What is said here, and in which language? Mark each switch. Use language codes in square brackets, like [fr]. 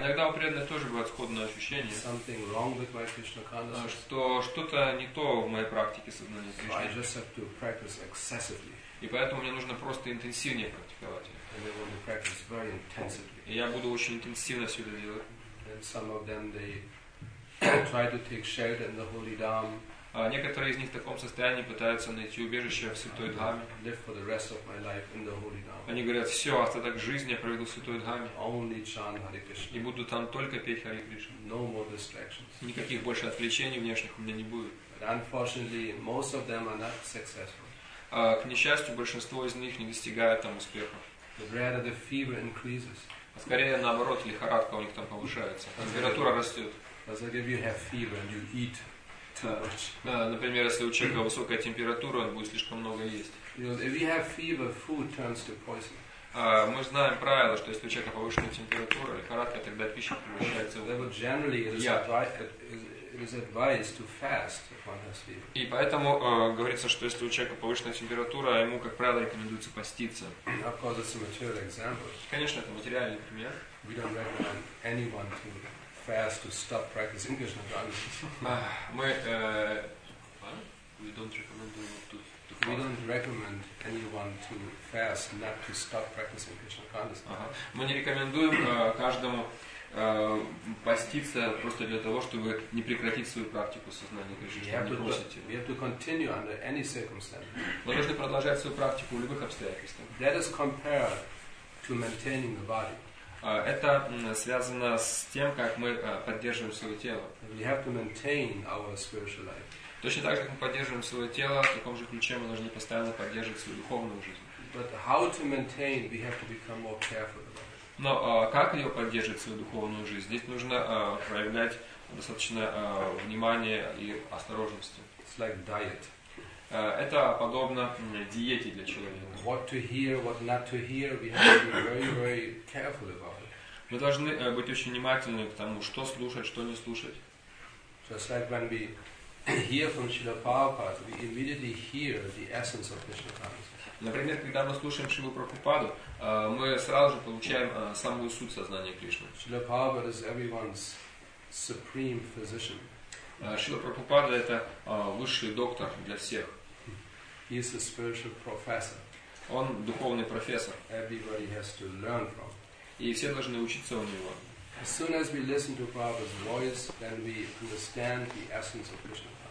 [ru] Иногда у преданных тоже бывает сходное ощущение, [en] something wrong with my Krishna consciousness. [ru] Что что-то не то в моей практике сознания Кришны. [en] So I just have to practice excessively. [ru] И поэтому мне нужно просто интенсивнее практиковать. [en] And I want to practice very intensively. [ru] И я буду очень интенсивно все это делать. [en] And some of them, they try to take shelter in the holy dhamma. [ru] Некоторые из них в таком состоянии пытаются найти убежище в Святой Дхамме. [en] Live for the rest of my life in the holy dhamma. [ru] Они говорят, все, остаток жизни я проведу в Святой Дхамме. [en] Only chant Hare Krishna. [ru] И буду там только петь Hare Krishna. [en] No more distractions. [ru] Никаких больше отвлечений внешних у меня не будет. [en] But unfortunately, most of them are not successful. [ru] К несчастью, большинство из них не достигают там успеха. [en] Rather the fever increases. [ru] А скорее наоборот, лихорадка у них там повышается. Температура растет. [en] As if you have fever and you eat. [ru] Например, если у человека высокая температура, он будет слишком много есть. [en] If you have fever, food turns to poison. [ru] Мы знаем правило, что если у человека повышенная температура, лихорадка, тогда пища превращается в яд. [en] But generally, it is advised to fast if one has fever. [ru] И поэтому говорится, что если у человека повышенная температура, ему, как правило, рекомендуется поститься. [en] Of course, it's a material example. [ru] Конечно, это материальный пример. [en] We don't recommend anyone to fast to stop practicing Krishna consciousness. We don't recommend anyone to fast not to stop practicing Krishna consciousness. [ru] Мы не рекомендуем каждому поститься просто для того, чтобы не прекратить свою практику сознания Кришны. [en] We have to continue under any circumstances. [ru] Мы должны продолжать свою практику в любых обстоятельствах. [en] That is compared to maintaining the body. [ru] Это связано с тем, как мы поддерживаем свое тело. [en] We have to maintain our spiritual life. [ru] Точно так же, как мы поддерживаем свое тело, в таком же ключе мы должны постоянно поддерживать свою духовную жизнь. [en] But how to maintain, we have to become more careful about it. [ru] Но как ее поддерживать свою духовную жизнь? Здесь нужно проявлять достаточно внимание и осторожности. [en] It's like diet. [ru] Это подобно диете для человека. [en] What to hear, what not to hear, we have to be very, very careful about it. [ru] Мы должны быть очень внимательны к тому, что слушать, что не слушать. [en] Just like when we hear from Srila Prabhupada, we immediately hear the essence of Krishna consciousness. [ru] Например, когда мы слушаем Шрилу Прабхупаду, мы сразу же получаем самую суть сознания Кришны. [en] Srila Prabhupada is everyone's supreme physician. [ru] Шрила Прабхупада – это высший доктор для всех. [en] He is a spiritual professor. [ru] Он духовный профессор. [en] Everybody has to learn from. [ru] И все должны учиться у него. [en] As soon as we listen to Prabhupada's voice, then we understand the essence of Krishna consciousness.